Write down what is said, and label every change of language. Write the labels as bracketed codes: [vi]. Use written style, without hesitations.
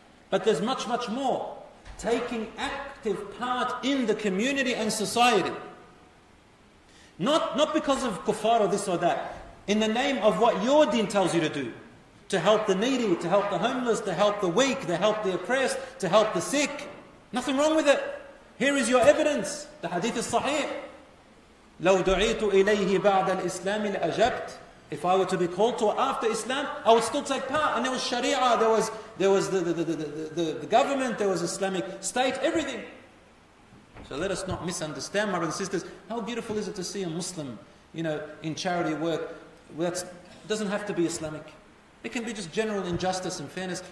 [en] But there's much, much more. Taking active part in the community and society. Not because of kuffar or this or that. In the name of what your deen tells you to do. To help the needy, to help the homeless, to help the weak, to help the oppressed, to help the sick. Nothing wrong with it. Here is your evidence. The hadith is sahih. [ar] لو دعيت إليه بعد الإسلام لأجبت. [en] If I were to be called to after Islam, I would still take part. And there was Sharia, there was the government, there was Islamic State, everything. So let us not misunderstand, my brothers and sisters. How beautiful is it to see a Muslim, you know, in charity work? That doesn't have to be Islamic. It can be just general injustice and fairness.